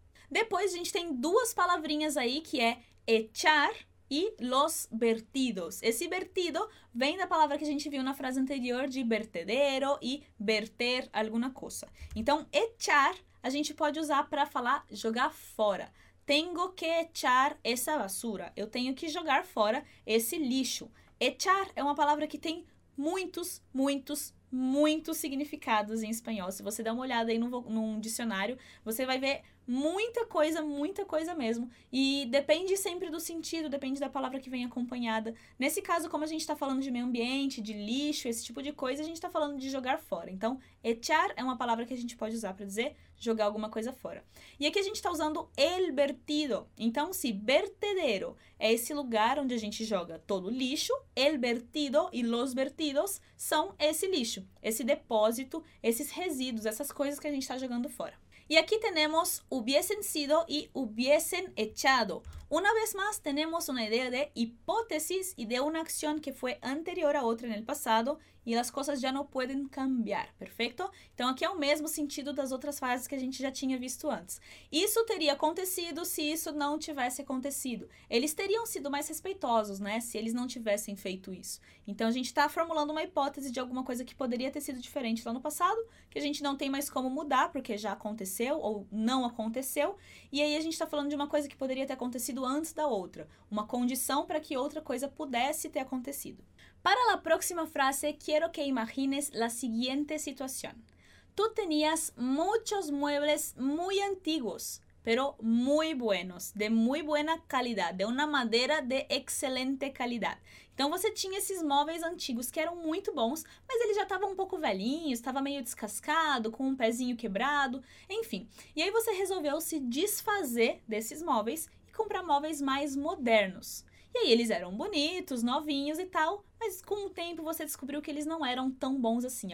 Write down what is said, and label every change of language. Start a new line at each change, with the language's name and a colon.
Portuguese: Depois a gente tem duas palavrinhas aí que é echar e los vertidos. Esse vertido vem da palavra que a gente viu na frase anterior de vertedero e verter alguna coisa. Então, echar a gente pode usar para falar jogar fora.
Spanish: Tengo que echar esa basura.
Portuguese: Eu tenho que jogar fora esse lixo. Echar é uma palavra que tem muitos, muitos, muitos significados em espanhol. Se você der uma olhada aí num dicionário, você vai ver muita coisa mesmo. E depende sempre do sentido, depende da palavra que vem acompanhada. Nesse caso, como a gente está falando de meio ambiente, de lixo, esse tipo de coisa, a gente está falando de jogar fora. Então, echar é uma palavra que a gente pode usar para dizer jogar alguma coisa fora. E aqui a gente está usando el vertido. Então, se vertedero é esse lugar onde a gente joga todo o lixo, el vertido e los vertidos são esse lixo, esse depósito, esses resíduos, essas coisas que a gente está jogando fora.
Spanish: Y aquí tenemos hubiesen sido y hubiesen echado. Una vez más tenemos una idea de hipótesis y de una acción que fue anterior a otra en el pasado y las cosas ya no pueden cambiar, ¿perfecto?
Portuguese: Então aqui é o mesmo sentido das outras frases que a gente já tinha visto antes. Isso teria acontecido se isso não tivesse acontecido. Eles teriam sido mais respeitosos, né, se eles não tivessem feito isso. Então a gente está formulando uma hipótese de alguma coisa que poderia ter sido diferente lá no passado, que a gente não tem mais como mudar porque já aconteceu ou não aconteceu. E aí a gente está falando de uma coisa que poderia ter acontecido antes da outra, uma condição para que outra coisa pudesse ter acontecido. Para a próxima frase, quero que
Spanish: imagines la siguiente
Portuguese: situação.
Spanish: Tu tenías muchos muebles muy antiguos, pero muy buenos, de muy buena calidad, de una madera de excelente calidad.
Portuguese: Então você tinha esses móveis antigos que eram muito bons, mas eles já estavam um pouco velhinhos, estava meio descascado, com um pezinho quebrado, enfim. E aí você resolveu se desfazer desses móveis e comprar móveis mais modernos. E aí eles eram bonitos, novinhos e tal, mas com o tempo você descobriu que eles não eram tão bons assim.